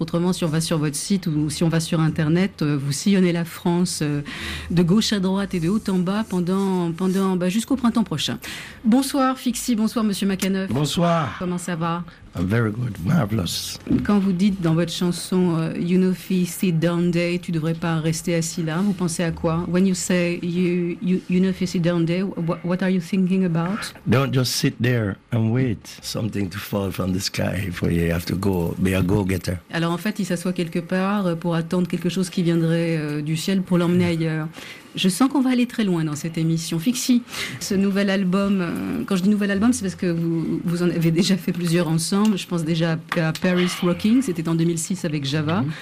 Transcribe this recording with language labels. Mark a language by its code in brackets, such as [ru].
[fr] Autrement, si on va sur votre site ou si on va sur Internet, vous sillonnez la France de gauche à droite et de haut en bas pendant jusqu'au printemps prochain. Bonsoir Fixie, bonsoir Monsieur McAnuff. Bonsoir. Comment ça va? [en] I'm very good, marvelous. [fr] Quand vous dites dans votre chanson [en] "You know, fi sit down day", [fr] tu devrais pas rester assis là. Vous pensez à quoi? [en] When you say you know, fi sit down day, what are you thinking about? Don't just sit there and wait something to fall from the sky for you. You have to go be a go-getter. [fr] Alors en fait, il s'assoit quelque part pour attendre quelque chose qui viendrait du ciel pour l'emmener ailleurs. Je sens qu'on va aller très loin dans cette émission. Fixie, ce nouvel album, quand je dis nouvel album, c'est parce que vous en avez déjà fait plusieurs ensemble. Je pense déjà à Paris Rocking, c'était en 2006 avec Java.